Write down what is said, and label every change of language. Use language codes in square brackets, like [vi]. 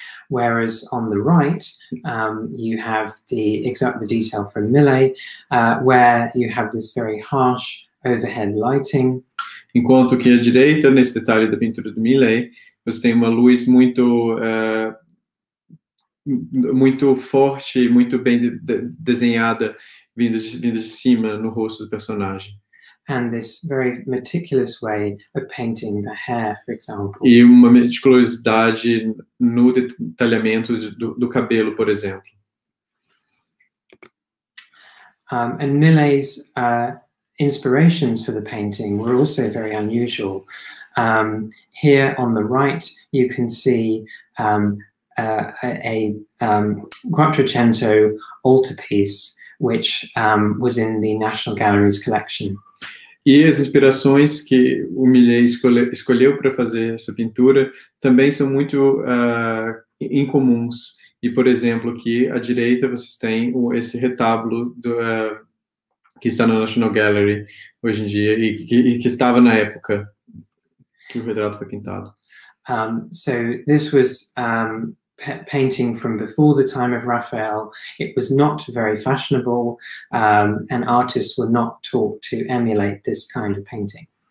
[en] Whereas on the right, you have the detail from Millet, where you have this very harsh overhead lighting. [pt] Enquanto que à direita, nesse detalhe da pintura de Millet, você tem uma luz muito muito forte, muito bem desenhada, vindo de cima no rosto do personagem. [en] And this very meticulous way of painting the hair, for example. [pt] E uma meticulosidade no detalhamento do cabelo, por exemplo. [en] And Millet's inspirations for the painting were also very unusual. Here on the right, you can see Quattrocento altarpiece, which was in the National Gallery's collection. [pt] E as inspirações que o Millet escolheu para fazer essa pintura também são muito incomuns. E, por exemplo, aqui à direita vocês têm esse retábulo que está na National Gallery hoje em dia e que estava na época que o retrato foi pintado. [en] So, this was painting from before the time of Raphael. It was not very fashionable, and artists were not taught to emulate this kind of painting.